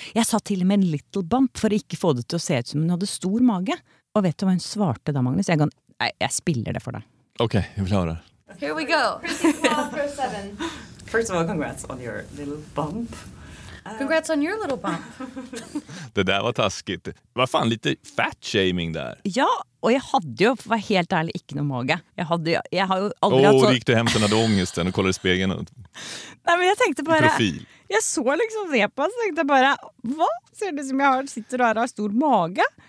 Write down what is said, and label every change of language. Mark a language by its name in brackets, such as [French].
[Norwegian] Jeg sa til med en [English] little bump [Norwegian] for å ikke få det til å se ut som hun hadde stor mage. Og vet du hva hun svarte da, Magnus? Jeg kan, jeg spiller det for deg. Ok, jeg vil ha det. [English] Here we go. First of all, congrats on your little bump. Congrats on your little bump. [Swedish] Det där var taskigt. Vad fan, lite fat shaming där. Ja, och jag hade ju, var helt ärlig, inte någon mage. Jag har ju aldrig haft så... Åh, gick du hem till den där ångesten och kollade i spegeln? Nej, men jag tänkte bara... Profil. Jag såg liksom repa och tänkte bara, vad ser det som jag har, sitter och har stor mage?